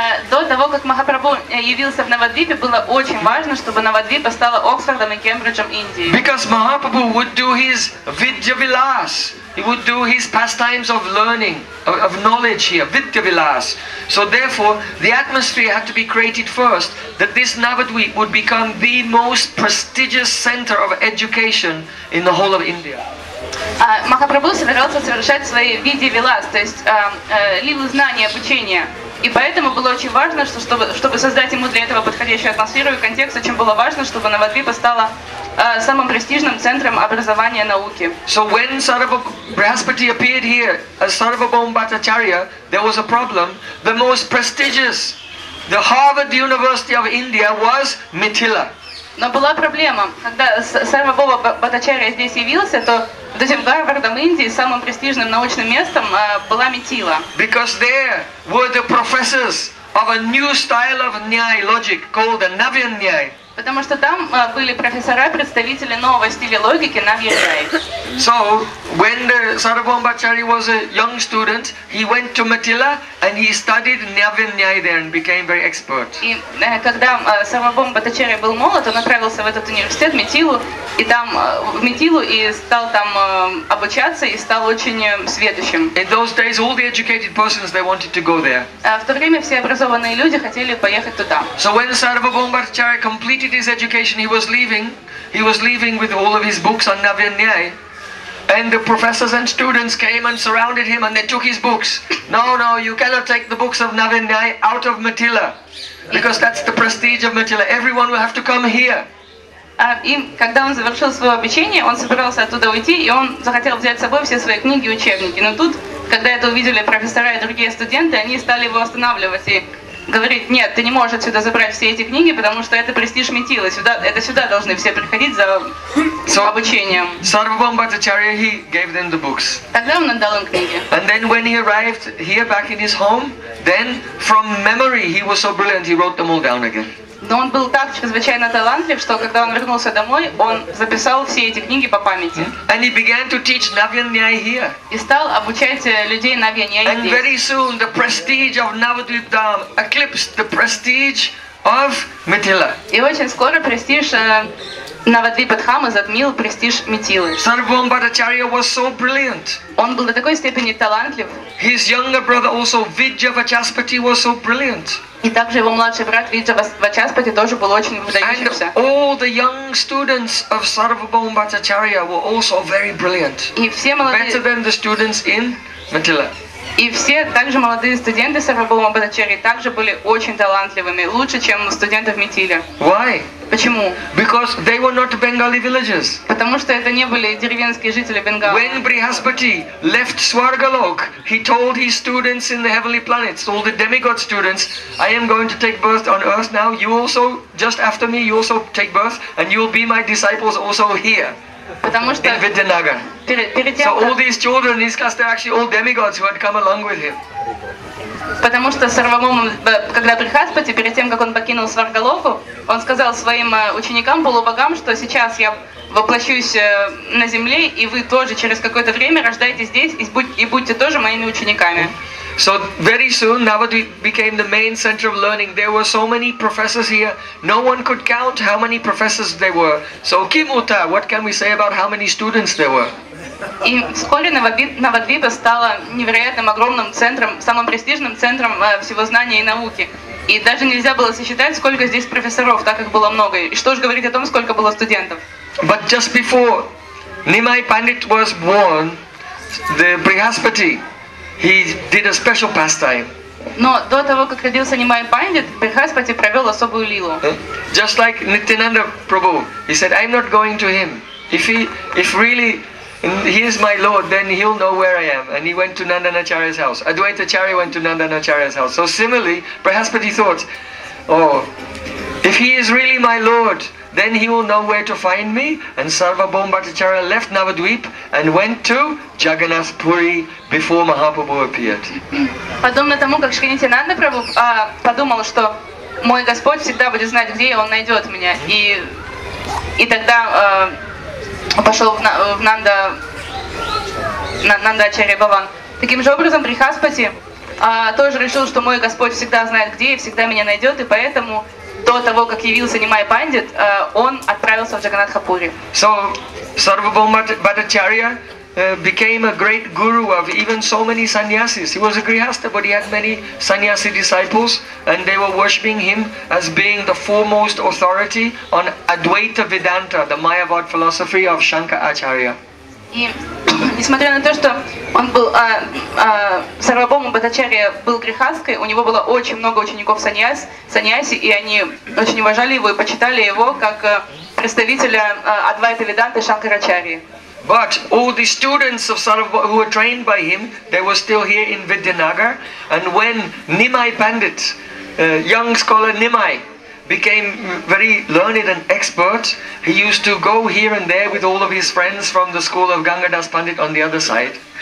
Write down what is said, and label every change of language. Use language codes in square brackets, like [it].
[ru] До того, как Махапрабху явился в Навадвипе, было очень важно, чтобы Навадвипа стала Оксфордом и Кембриджем Индии. [en] Because Mahaprabhu would do his Vidya Vilas. He would do his pastimes of learning, of knowledge here, Vidya Vilas. So therefore, the atmosphere had to be created first, that this Navadvip would become the most prestigious center of education in the whole of India. [ru] Махапрабху собирался совершать свои Vidya Vilas, то есть лилы знания, обучения. И поэтому было очень важно, чтобы создать ему для этого подходящую атмосферу и контекст, очень было важно, чтобы Навадвипа стала самым престижным центром образования науки. [en] So when Brihaspati appeared here as Sarvabhauma Bhattacharya, there was a problem. The most prestigious, the Harvard University of India was Mithila. [ru] Но была проблема, когда Сарвабхаума Бхаттачарья здесь явился, то вот этим Гарвардом Индии самым престижным научным местом была Митила. [en] Because there were the professors of a new style of Nyay logic called the Navyan Nyay. [ru] Потому что там были профессора, представители нового стиля логики Navyan Nyay. [en] So when the Sarvabhauma Bhattacharya was a young student, he went to Mithila and he studied Navyan Nyay there and became very expert. [ru] И когда Сарвабхаума Бхаттачарья был молод, он отправился в этот университет Митилу и там в Митилу и стал там обучаться и стал очень сведущим. [en] In those days, all the educated persons they wanted to go there. [ru] В то время все образованные люди хотели поехать туда. [en] So when Sarvabhauma Bhattacharya completed his education, he was leaving with all of his books on Navyan Nyay. And the professors and students came and surrounded him and they took his books. No, you cannot take the books of Navyan Nyay out of Mithila. Because that's the prestige of Mithila. Everyone will have to come here. [ru] И когда он завершил свое обучение, он собирался оттуда уйти, и он захотел взять с собой все свои книги и учебники. Но тут, когда это увидели профессора и другие студенты, они стали его останавливать и говорить: нет, ты не можешь отсюда забрать все эти книги, потому что это престиж Метилы, сюда должны все приходить за обучением. [en] Sarvabhauma Bhattacharya, he gave them the books. [ru] Тогда он отдал им книги. [en] And then when he arrived here back in his home, then from memory he was so brilliant, he wrote them all down again. [ru] Но он был так чрезвычайно талантлив, что когда он вернулся домой, он записал все эти книги по памяти. [en] And he began to teach Navya-Nyaya here. [ru] И стал обучать людей Навья-Нияе здесь. [en] And very soon the prestige of Navadvip Dham eclipsed the prestige of Mithila. [ru] И очень скоро престиж Навадвипа Дхамы затмил престиж Метилы. [en] Sarvabhauma Bhattacharya was so brilliant. [ru] Он был до такой степени талантлив. [en] His younger brother also Vidya Vachaspati was so brilliant. [ru] И также его младший брат Виджа Вачаспати тоже был очень выдающимся. [en] And all the young students of Sarvabhauma Bhattacharya were also very brilliant. [ru] И все молодые... [en] Better than the students in Mithila. [ru] И все также молодые студенты Sarvabhauma Bhattacharya также были очень талантливыми, лучше, чем студенты в Метиле. [en] Why? [ru] Почему? [en] Because they were not Bengali villagers. [ru] Потому что это не были деревенские жители Бенгала. [en] When Brihaspati left Swargalok, he told his students in the heavenly planets, all the demigod students, I am going to take birth on earth now. You also, just after me, you also take birth, and you will be my disciples also here. [ru] Потому что [en] in Vidyanagar. [ru] Перед тем, [en] so all these children, these guys, they're actually all demigods who had come along with him. [ru] Потому что Sarvabhauma, когда Брихаспати, перед тем, как он покинул Сваргалоку, он сказал своим ученикам, полубогам, что сейчас я воплощусь на земле, и вы тоже через какое-то время рождаетесь здесь и будьте тоже моими учениками. [en] So very soon Navadvip became the main center of learning. There were so many professors here. No one could count how many professors there were. So Kimuta, what can we say about how many students there were? [ru] И вскоре Навадвипа стала невероятным огромным центром, самым престижным центром всего знания и науки. И даже нельзя было сосчитать, сколько здесь профессоров, так как было много. И что же говорить о том, сколько было студентов. [en] But just before Nimai Pandit was born, the Brihaspati, he did a special pastime. [ru] Но до того, как родился Nimai Pandit, Брихаспати провел особую лилу. [en] Just like Nityananda Prabhu, he said, I'm not going to him. If really... And he is my lord, then he'll know where I am. And he went to Nandanacharya's house. Advaita Acharya went to Nandanacharya's house. So similarly, Brihaspati thought, oh, if he is really my lord, then he will know where to find me. And Sarvabhauma Bhattacharya left Navadvip and went to Jagannath Puri before Mahaprabhu appeared. [ru] Подобно тому, как Шри Нитянанда Прабху подумал, что мой Господь всегда будет знать, где он найдет меня. И тогда... пошел в Нанда Ачарья Бхаван. Таким же образом Брихаспати тоже решил, что мой Господь всегда знает где и всегда меня найдет, и поэтому до того, как явился Nimai Pandit, он отправился в Джаганатхапури. [en] So Sarvabhauma Bhattacharya became a great guru of even so many sannyasis. He was a grihastha, but he had many sannyasi disciples, and they were worshipping him as being the foremost authority on Advaita Vedanta, the Mayavad philosophy of Shankar Acharya. [ru] Несмотря на то, что он был Sarvabhauma Bhattacharya был грихасткой, у него было очень много учеников саньяси, и они очень уважали его и почитали его как представителя Адвайта Веданты Шанкарачарьи. [en] But all the students of Sarvabhauma who were trained by him, they were still here in Vidyanagar. And when Nimai Pandit, young scholar Nimai, became very learned and expert, he used to go here and there with all of his friends from the school of Gangadas Pandit on the other side.